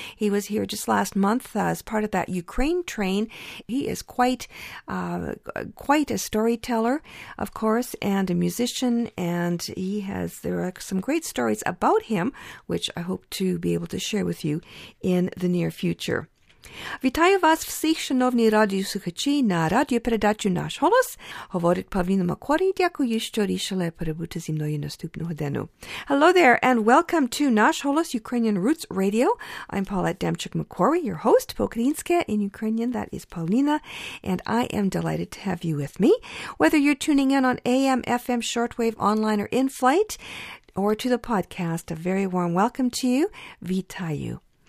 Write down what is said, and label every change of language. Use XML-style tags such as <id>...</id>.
<en>He was here just last month as part of that Ukraine train. He is quite a storyteller, of course, and a musician. And there are some great stories about him, which I hope to be able to share with you in the near future.</en> <uk>Вітаю вас всіх, шановні радіослухачі, на радіопередачі «Наш голос». Говорить Павліна Макорій. Дякую, що рішили перебути зі мною наступну годину.</uk> <en>Hello there, and welcome to «Наш голос» Ukrainian Roots Radio. I'm Paulette Demchuk-Makori, your host,</en> <uk>по-українське,</uk> <en>in Ukrainian, that is Павліна, and I am delighted to have you with me. Whether you're tuning in on AM, FM, shortwave, online, or in-flight, or to the podcast, a very warm welcome to you.</en> <uk>Вітаю.</uk>